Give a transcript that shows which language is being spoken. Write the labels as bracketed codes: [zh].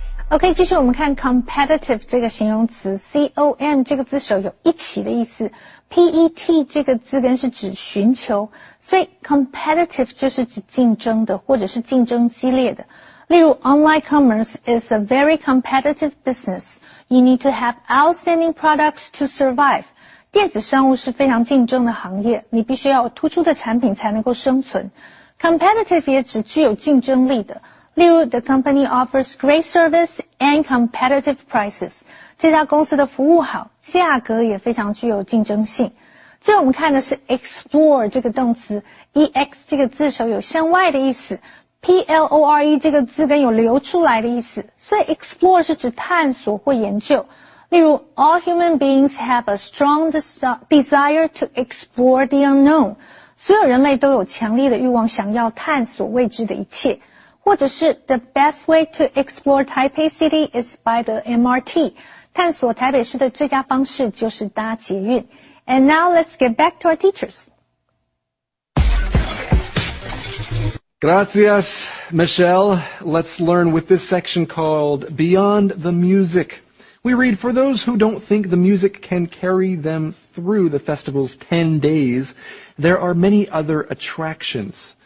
[zh] OK, 继续我们看 competitive 这个形容词 ,com 这个字首有一起的意思 ,pet 这个字根是指寻求，所以 competitive 就是指竞争的或者是竞争激烈的。例如 [en] ,online commerce is a very competitive business. You need to have outstanding products to survive. [zh] 电子商务是非常竞争的行业，你必须要有突出的产品才能够生存。 competitive 也指具有竞争力的。例如 [en] ,the company offers great service and competitive prices. [zh] 这家公司的服务好,价格也非常具有竞争性。最后我们看的是 explore 这个动词 ,ex 这个字首有向外的意思 ,plore 这个字根有流出来的意思。所以 [en] explore [zh] 是指探索或研究。例如 [en] ,all human beings have a strong desire to explore the unknown. [zh] 所有人类都有强烈的欲望想要探索未知的一切。或者是 [en] The best way to explore Taipei City is by the MRT. [zh] 探索台北市的最佳方式就是搭捷运。 [en] And now let's get back to our teachers. [es] Gracias, Michelle. [en] Let's learn with this section called Beyond the Music. We read, for those who don't think the music can carry them through the festival's 10 days, there are many other attractions.